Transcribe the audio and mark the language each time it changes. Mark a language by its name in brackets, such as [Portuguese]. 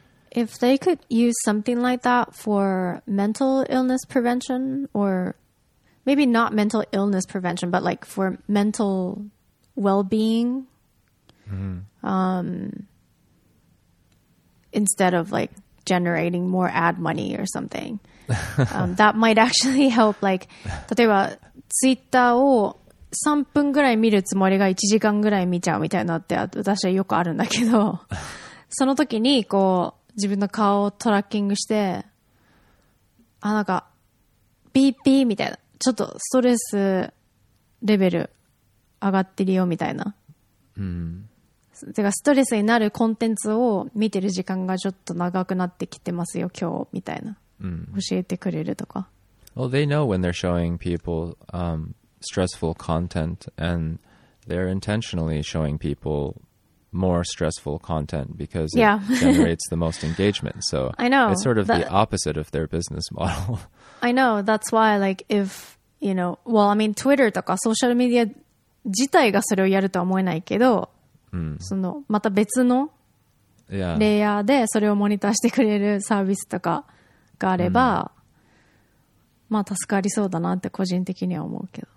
[English] If they could use something like that for mental illness prevention, or maybe not mental illness prevention, but like for mental well-being, instead of like generating more ad money or something, that might actually help. [Japanese] Like, 例えば Twitter を3分ぐらい見るつもりが1時間ぐらい見ちゃうみたいなって私はよくあるんだけど、その時にこう自分の顔をトラッキングして、あ、なんかピーピーみたいな、ちょっとストレスレベル上がってるよみたいな、てかストレスになるコンテンツを見てる時間がちょっと長くなってきてますよ今日みたいな、教えてくれるとか。 [English] Well, they know when they're showing people stressful content, and they're intentionally showing people more stressful content because it yeah. generates the most engagement. So I know it's sort of the opposite of their business model. I know, that's why, like, if you know, well, I mean, [Japanese] Twitter とかソーシャルメディア自体がそれをやるとは思えないけど、そのまた別のレイヤーでそれをモニターしてくれるサービスとかがあれば、まあ助かりそうだなって個人的には思うけど。